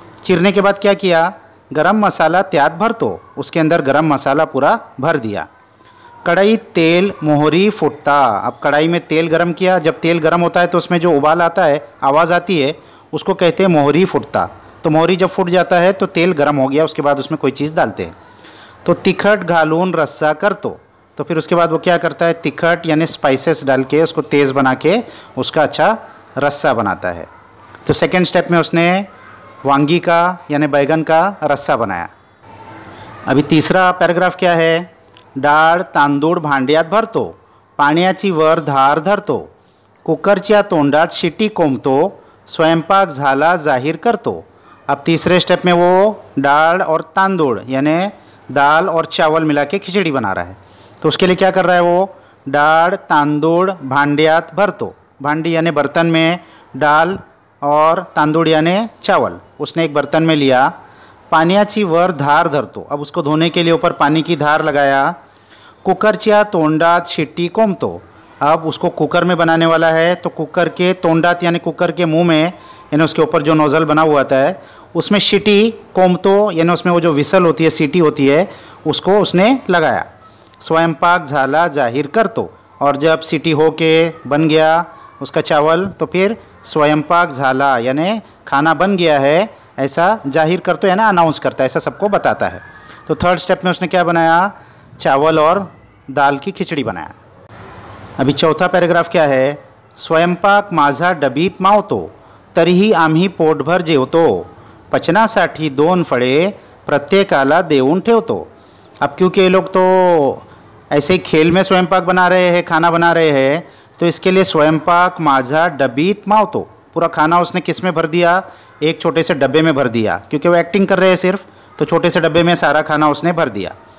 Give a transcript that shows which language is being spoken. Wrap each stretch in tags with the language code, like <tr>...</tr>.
<hi>चीरने के बाद क्या किया,</hi> <mr>गरम मसाला त्याग भर तो,</mr> <hi>उसके अंदर गरम मसाला पूरा भर दिया,</hi> <mr>कढ़ाई तेल मोहरी फुटता,</mr> <hi>अब कढ़ाई में तेल गरम किया, जब तेल गरम होता है तो उसमें जो उबाल आता है आवाज़ आती है उसको कहते हैं मोहरी फुटता, तो मोहरी जब फूट जाता है तो तेल गरम हो गया, उसके बाद उसमें कोई चीज़ डालते हैं, तो</hi> <mr>तिखट घालून रस्सा कर तो,</mr> <hi>तो फिर उसके बाद वो क्या करता है, तिखट यानी स्पाइसेस डाल के उसको तेज़ बना के उसका अच्छा रस्सा बनाता है। तो सेकेंड स्टेप में उसने वांगी का यानी बैंगन का रस्सा बनाया। अभी तीसरा पैराग्राफ क्या है,</hi> <mr>डाल तांदूड़ भांड्यात भरतो, पाण्याची वर धार धरतो, कुकरच्या तोंडात शिट्टी कोंबतो, स्वयंपाक झाला जाहीर करतो।</mr> <hi>अब तीसरे स्टेप में वो डाल और तांदूड़ यानी दाल और चावल मिला के खिचड़ी बना रहा है, तो उसके लिए क्या कर रहा है, वो</hi> <mr>डाल तांदूड़ भांड्यात भरतो,</mr> <hi>भांडी यानी बर्तन में डाल और तांदूड़ यानी चावल उसने एक बर्तन में लिया,</hi> <mr>पानियाची वर धार धरतो,</mr> <hi>अब उसको धोने के लिए ऊपर पानी की धार लगाया,</hi> <mr>कुकरच्या तोंडात शिट्टी कोंबतो,</mr> <hi>अब उसको कुकर में बनाने वाला है तो कुकर के तोंडात यानी कुकर के मुँह में यानी उसके ऊपर जो नोज़ल बना हुआ था है उसमें शिट्टी कोंबतो यानी उसमें वो जो विसल होती है सीटी होती है उसको उसने लगाया,</hi> <mr>स्वयंपाक झाला जाहिर कर तो,</mr> <hi>और जब सीटी हो के बन गया उसका चावल तो फिर स्वयंपाक झाला यानि खाना बन गया है ऐसा जाहिर कर तो यानी अनाउंस करता है ऐसा सबको बताता है। तो थर्ड स्टेप में उसने क्या बनाया, चावल और दाल की खिचड़ी बनाया। अभी चौथा पैराग्राफ क्या है,</hi> <mr>स्वयंपाक माझा डबीत मावतो, तरीही आम्ही पोटभर जेवतो, पचनासाठी दोन फळे प्रत्येकाला देऊन ठेवतो।</mr> <hi>अब क्योंकि ये लोग तो ऐसे ही खेल में स्वयंपाक बना रहे हैं, खाना बना रहे हैं, तो इसके लिए</hi> <mr>स्वयंपाक माझा डबीत मावतो,</mr> <hi>पूरा खाना उसने किस में भर दिया, एक छोटे से डब्बे में भर दिया, क्योंकि वो एक्टिंग कर रहे हैं सिर्फ, तो छोटे से डब्बे में सारा खाना उसने भर दिया।</hi>